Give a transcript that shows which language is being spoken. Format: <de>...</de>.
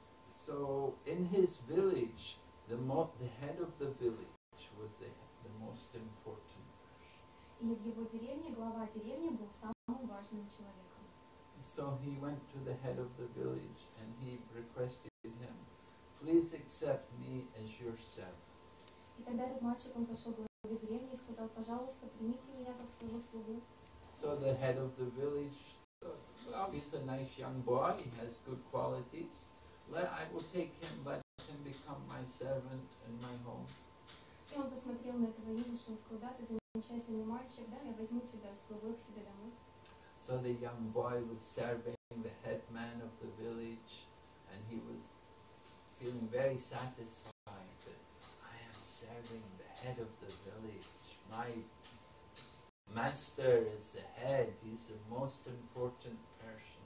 <en>So in his village, the head of the village was the most important person.</en> <ru>И в его деревне глава деревни был самым важным человеком.</ru> <en>So he went to the head of the village and he requested him, please accept me as your servant.</en> <ru>И тогда этот мальчик он пошел к главе деревни и сказал, пожалуйста, примите меня как своего слугу.</ru> <en>So the head of the village thought, well, he's a nice young boy, he has good qualities. I will take him, let him become my servant in my home.</en> <ru>И он посмотрел на этого юношу и сказал, да, ты замечательный мальчик, да, я возьму тебя слугой к себе домой.</ru> <en>So the young boy was serving the headman of the village, and he was feeling very satisfied that I am serving the head of the village. My master is the head, he's the most important person.</en>